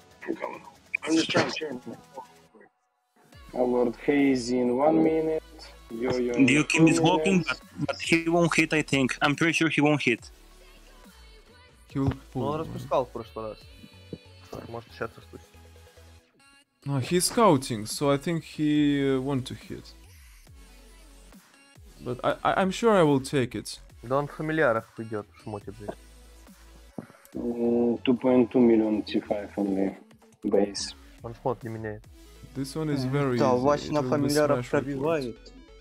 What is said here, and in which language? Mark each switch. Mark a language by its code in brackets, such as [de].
[en] I'm coming out. I'm just trying to share. Lord Hazy in 1 minute. Diokim is walking, but he won't hit, I think. I'm pretty sure he won't hit. He will pull. [ru] Он распускал в прошлый раз. Может, сейчас распустить. [en] No, he's scouting, so I think he want to hit. But I'm sure I will take it. [ru] Да он в фамильярах идет, шмотит здесь. [en] 2.2 million T5 on the base. [ru] Он шмот не меняет. [en] This one is very easy. [ru] Да, Вася на фамильярах пробивает.